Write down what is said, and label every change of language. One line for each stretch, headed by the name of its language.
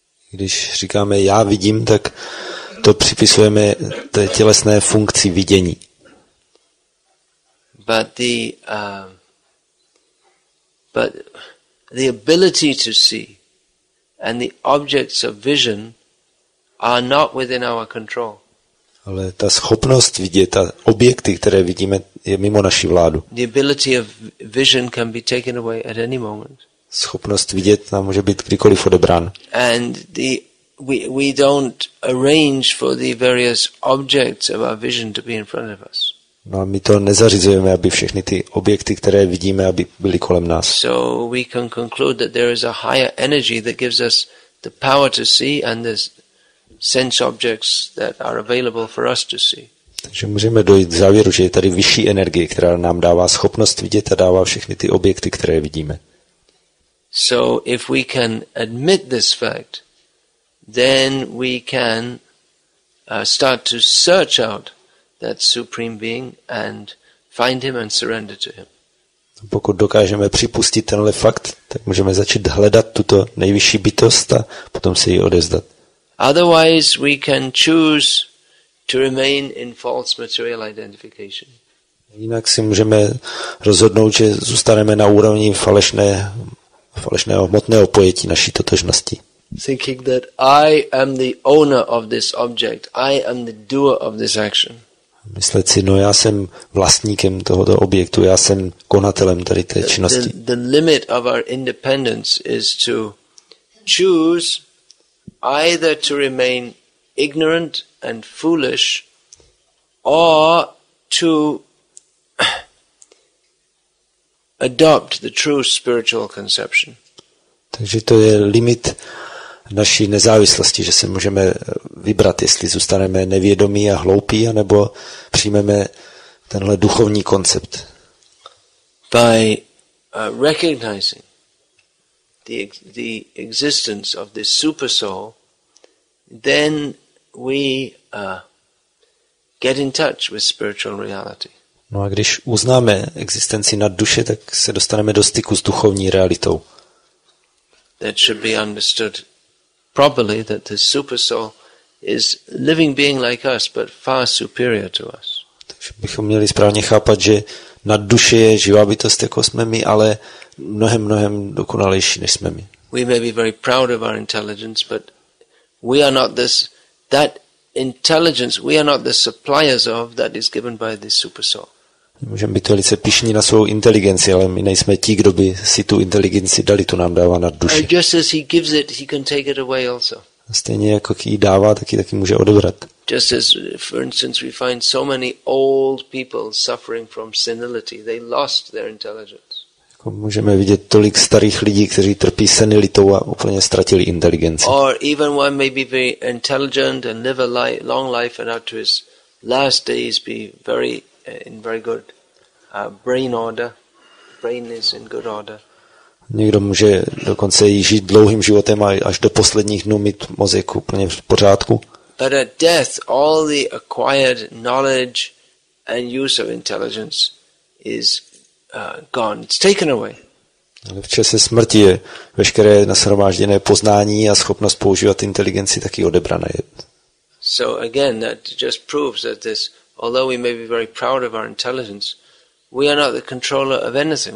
Czech: Když říkáme já vidím, tak to připisujeme té tělesné funkci vidění.
English: But the the ability to see and the objects of vision are not within our control.
Czech: Ale ta schopnost vidět a objekty, které vidíme, je mimo naši vládu.
English: The ability of vision can be taken away at any moment.
Czech: Schopnost vidět nám může být kdykoliv odebrán.
English: And the we don't arrange for the various objects of our vision to be in front of us.
Czech: No a my to nezařizujeme, aby všechny ty objekty, které vidíme, aby byly kolem nás.
English: So we can conclude that there is a higher energy that gives us the power to see and the sense objects that are available for us to see.
Czech: Takže můžeme dojít k závěru, že je tady vyšší energie, která nám dává schopnost vidět a dává všechny ty objekty, které vidíme.
English: So if we can admit this fact, then we can start to search out that supreme being and find him and surrender to him.
Czech: Pokud dokážeme připustit tenhle fakt, tak můžeme začít hledat tuto nejvyšší bytost a potom se jí odevzdat.
English: Otherwise we can choose to remain in false material identification.
Czech: Jinak si můžeme rozhodnout, že zůstaneme na úrovni falešného hmotného pojetí naší totožnosti.
English: Thinking that I am the owner of this object, I am the doer of this action.
Czech: Myslet si, no já jsem vlastníkem tohoto objektu, já jsem konatelem tady té činnosti.
English: The limit of our independence is to choose either to remain ignorant and foolish or to adopt the true spiritual conception.
Czech: Takže to je limit naší nezávislosti, že se můžeme vybrat, jestli zůstaneme nevědomí a hloupí, anebo přijmeme tenhle duchovní koncept.
English: By recognizing the existence of this super soul, then we get in touch with spiritual reality.
Czech: No a když uznáme existenci nad duše, tak se dostaneme do styku s duchovní realitou.
English: That should be understood properly, that the super soul is living being like us, but far superior to us.
Czech: Takže bychom měli správně chápat, že nad duše je živá bytost jako jsme my, ale mnohem dokonalejší než jsme my.
English: We may be very proud of our intelligence, but we are not this that intelligence, we are not the suppliers of that is given by the super soul.
Czech: Můžeme být velice pyšní na svou inteligenci, ale my nejsme ti, kdo by si tu inteligenci dali, tu nám dává nad duši.
English: Just as he gives it, he can take it away also.
Czech: Stejně jako ji dává, taky může odebrat.
English: Just as, for instance, we find so many old people suffering from senility, they lost their intelligence.
Czech: Jako můžeme vidět tolik starých lidí, kteří trpí senilitou a úplně ztratili inteligenci.
English: Or even one may be very intelligent and live a long life and out to his last days be very in very good brain order. Brain is in good order.
Czech: Někdo může dokonce žít dlouhým životem a až do posledních dnů mít mozek úplně v pořádku.
English: But at death, all the acquired knowledge and use of intelligence is gone. It's taken away.
Czech: Ale v čase smrti je veškeré nashromážděné poznání a schopnost používat inteligenci taky odebrané.
English: So again, that just proves that this, although we may be very proud of our intelligence, we are not the controller of anything.